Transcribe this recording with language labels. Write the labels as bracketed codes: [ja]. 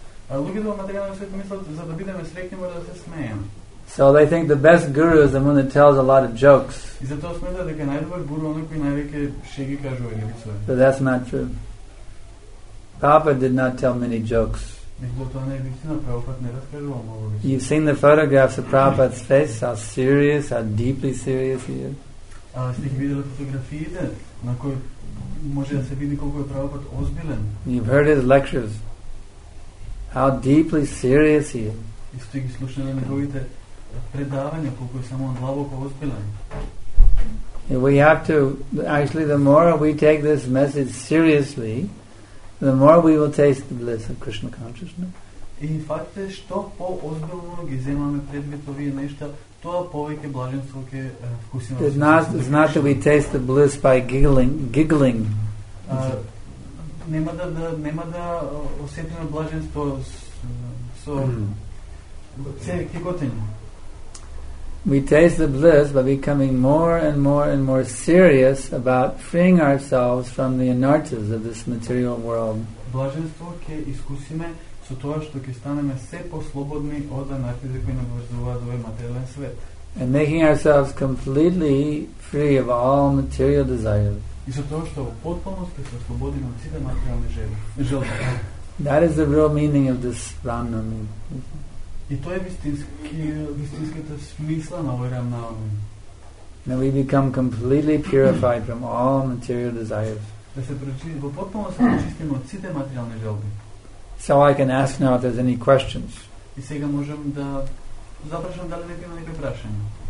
[mk] А луѓето во материјалниот свет мислат за да бидеме среќни мора да се смееме. [en] So they think the best guru is the one that tells a lot of jokes. [mk] И затоа смета дека најдобар гуру е кој највеќе шеги кажува или вицове. [en] But that's not true. Prabhupada did not tell many jokes. [mk] Меѓутоа не е вистина, Прабхупад не раскажува многу вицове. [en] You've seen the photographs of Prabhupada's face, how serious, how deeply serious he is. [mk] А сте ги видели фотографиите на кои може да се види колку е Прабхупад озбилен. [en] You've heard his lectures. How deeply serious he is. [mk] И сте ги слушнале неговите предавања колку е само длабоко озбилен. [en] We have to actually the more we take this message seriously, the more we will taste the bliss of Krishna consciousness. [mk] И факт е што по озбилно ги земаме предмет овие нешта, тоа повеќе блаженство ќе вкусиме. [en] It's not that we taste the bliss by giggling. [mk] Нема да осетиме блаженство со кикотење. [en] We taste the bliss by becoming more and more and more serious about freeing ourselves from the inertias of this material world. [mk] Блаженство ќе искусиме со тоа што ќе станеме се послободни од инертија кои нас одвлекуваат од материјален свет. [en] And making ourselves completely free of all material desires. [mk] И со тоа што потполно сте се ослободени од сите материјални желби. [en] That is the real meaning of this Ram Navami. [mk] И тоа е вистинската смисла на овој Рам Навами. [en] Now we become completely purified from all material desires. [mk] Да се прочистиме во потполност, да очистиме од сите материјални желби. [en] So I can ask now if there's any questions. [mk] И сега можам да запрашам дали некој има некои прашања.